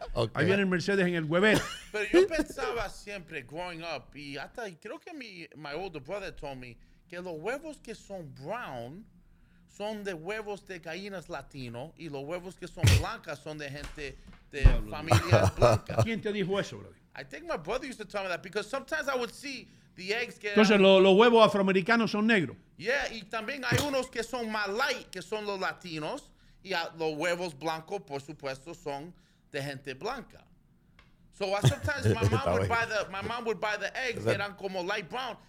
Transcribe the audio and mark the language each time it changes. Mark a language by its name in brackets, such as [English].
[Spanish] Okay. Ahí viene el Mercedes en el huevero. Pero yo pensaba siempre, [English] growing up, [Spanish] y hasta creo que [English] my older brother told me [Spanish] que los huevos que son brown son de huevos de gallinas latino y los huevos que son blancas son de gente de familias blancas. ¿Quién te dijo eso, bro? [English] I think my brother used to tell me that because sometimes I would see the eggs get... [Spanish] Entonces, los huevos afroamericanos son negros. Yeah, y también hay unos que son más light, que son los latinos. Y los huevos blancos, por supuesto, son de gente blanca. [English] So sometimes my mom would buy the eggs, [Spanish] eran como [English] light brown.